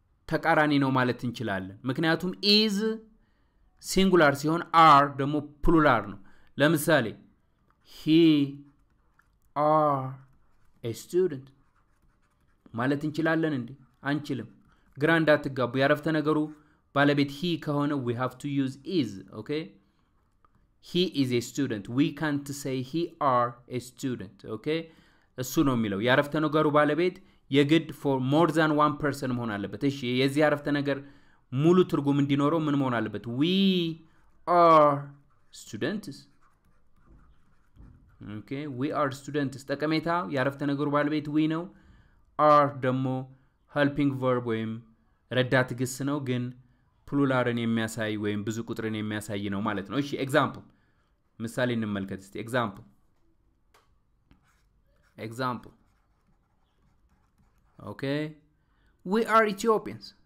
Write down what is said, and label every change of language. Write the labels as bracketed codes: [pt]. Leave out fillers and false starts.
[am] ተቃራኒ ነው ማለት እንችላለን። ምክንያቱም is singular ሲሆን are ደግሞ plural ነው። ለምሳሌ [en] he are a student [am] ማለት እንችላለን እንዴ? አንችልም። ግራ እንዳትጋቡ ያረፍተ ነገሩ ባለቤት he ከሆነ [en] we have to use is, okay? He is a student. We can't say he are a student, okay? [am] እሱ ነው የሚለው ያረፍተ ነገሩ ባለቤት የግድ [en] for more than one person [am] መሆን አለበት። እሺ የዚህ አረፍተ ነገር ሙሉ ትርጉም እንዲኖረው ምን መሆን አለበት? [en] We are students. Okay, we are students. [am] ተቀመታ ያረፍተ ነገሩ ባለቤት we ነው። Are ደግሞ helping verb ወይም ረዳት ግስ ነው፣ ግን ፕሉላርን የሚያሳይ ወይም ብዙ ቁጥርን የሚያሳይ ነው ማለት ነው። እሺ example ምሳሌ እንመልከት እስቲ example [en] Okay, we are Ethiopians.